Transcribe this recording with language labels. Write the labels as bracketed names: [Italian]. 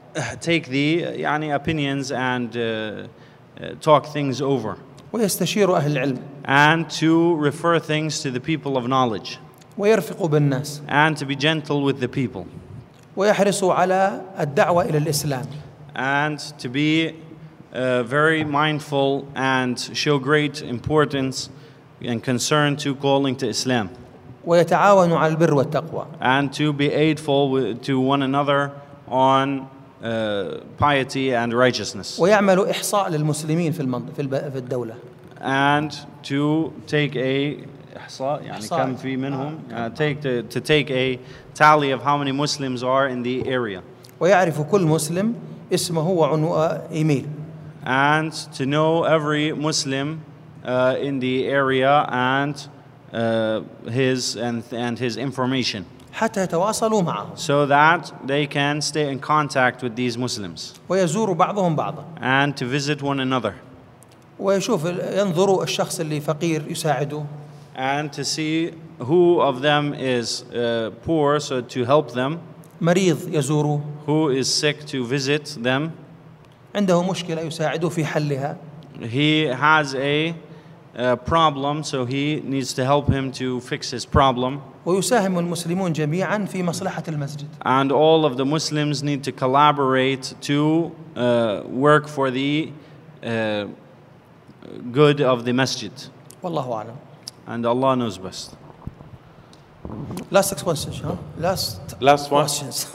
[English] And to take the opinions and talk things over. [Arabic] ويستشير أهل العلم. [English] And to refer things to the people of knowledge. [Arabic] ويرفق بالناس. [English] And to be gentle with the people. [Arabic] ويحرص على الدعوة إلى الإسلام. [English] And to be very mindful and show great importance and concern to calling to Islam. [Arabic] ويتعاون على البر والتقوى. [English] And to be aidful to one another on piety and righteousness. [Arabic] ويعمل إحصاء للمسلمين في الدولة. [English] And to take a [Arabic] إحصاء يعني كم في منهم [English] take a tally of how many Muslims are in the area. [Arabic] ويعرف كل مسلم اسمه وعنوان إيميل. [English] And to know every Muslim in the area and his information. [Arabic] حتى يتواصلوا معه. [English] So that they can stay in contact with these Muslims. [Arabic] ويزور بعضهم بعضا. [English] And to visit one another. [Arabic] ويشوف ينظر الشخص اللي فقير يساعده. [English] And to see who of them is poor, so to help them. [Arabic] مريض يزوره. [English] Who is sick to visit them. [Arabic] عنده مشكلة يساعده في حلها. [English] He has a problem, so he needs to help him to fix his problem. [Arabic] ويساهم المسلمون جميعا في مصلحة المسجد. [English] And all of the Muslims need to collaborate to work for the good of the masjid. [Arabic] والله أعلم. [English] And Allah knows best. Last six questions, huh? Last one? Questions.